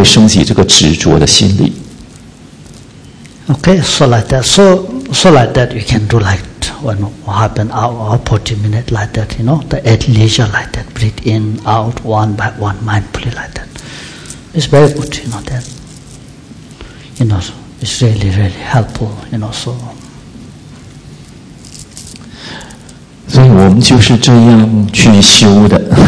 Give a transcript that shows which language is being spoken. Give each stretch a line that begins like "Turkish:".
Chinese: 这个快乐喜悦心理你也不可以太过执着，所以怎么避免太过执着呢？因为执着任何执着都是有害的，所以呢，怎么避免这样执着呢？就我们就要去思维了，下一个要思维就是无常的道理，在无常，如果你真的明白什么，这每样东西万法的无常的道理的话，你就会升起这个执着的心理。
English: Okay, so like that. So like that you can do like when happen hour 40 minutes like that, you know, the at leisure like that, breathe in, out, one by one, mindfully like that. It's very good, you know, then. You know, it's really, really helpful, you know, so
Chinese: 所以我们就是这样去修的。